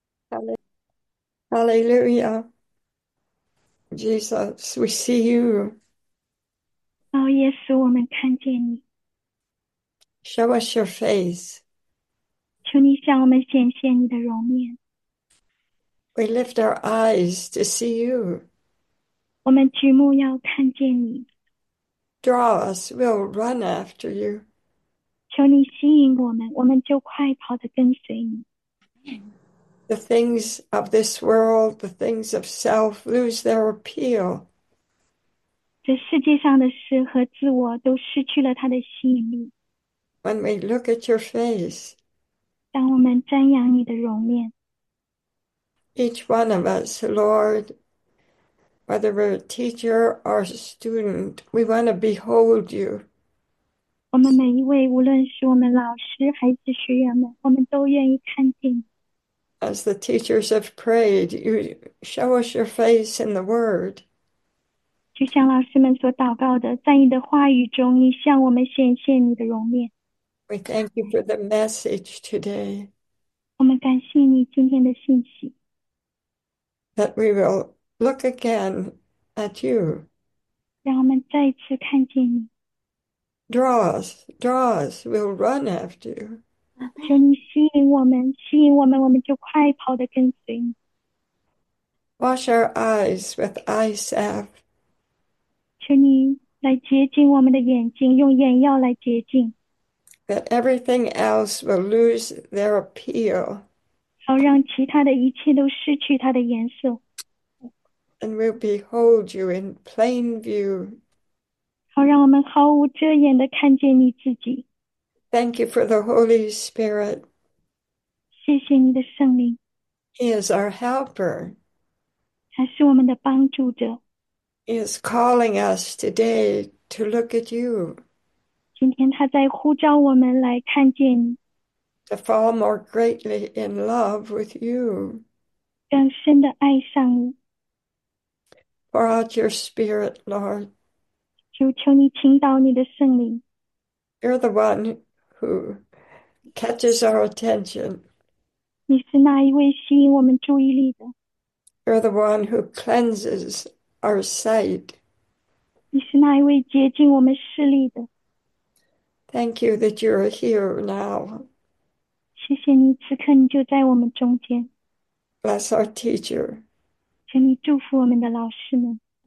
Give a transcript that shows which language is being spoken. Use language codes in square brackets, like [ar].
[en] Hallelujah. Hallelujah. Jesus, we see you. [zh] 哦，耶稣，我们看见你。 [en] Show us your face. [zh] 求你向我们显现你的容面。 [en] We lift our eyes to see you. [zh] 我们举目要看见你。 [en] Draw us, we'll run after you. [zh] 求你吸引我们，我们就快跑的跟随你。 [en] The things of this world, the things of self lose their appeal. [zh] 这世界上的事和自我都失去了它的吸引力。 [en] When we look at your face, [zh] 当我们瞻仰你的容面。 [en] each one of us, Lord, whether we're a teacher or a student, we want to behold you. [zh] 我们每一位，无论是我们老师还是学员们，我们都愿意看见你。 [en] As the teachers have prayed, you show us your face in the Word. [zh] 就像老师们所祷告的，在你的话语中，你向我们显现你的容面。 [en] We thank you for the message today [zh] 我们感谢你今天的信息。 [en] that we will look again at you. [zh] 让我们再一次看见你。 [en] Draw us, draw us. We'll run after you. [zh] 求你吸引我们，吸引我们，我们就快跑的跟随你。 [en] Wash our eyes with eye salve. [zh] 求你来洁净我们的眼睛，用眼药来洁净， [en] That everything else will lose their appeal [zh] 好让其他的一切都失去它的颜色， [en] and will behold you in plain view. [zh] 好让我们毫无遮掩的看见你自己。 [en] Thank you for the Holy Spirit. [zh] 谢谢你的圣灵， [en] He is our helper. [zh] 还是我们的帮助者。 [en] He is calling us today to look at you, [zh] 今天他在呼召我们来看见你， [en] to fall more greatly in love with you. [zh] 更深的爱上你。 [en] Pour out your spirit, Lord. [zh] 求你倾倒你的圣灵。 [en] You're the one who catches our attention. [zh] 你是那一位吸引我们注意力的， [en] You're the one who cleanses our sight. [zh] 你是那一位洁净我们视力的。 [en] Thank you that you're here now. [zh] 谢谢你，此刻你就在我们中间， [en] Bless our teacher. [zh] 请你祝福我们的老师们，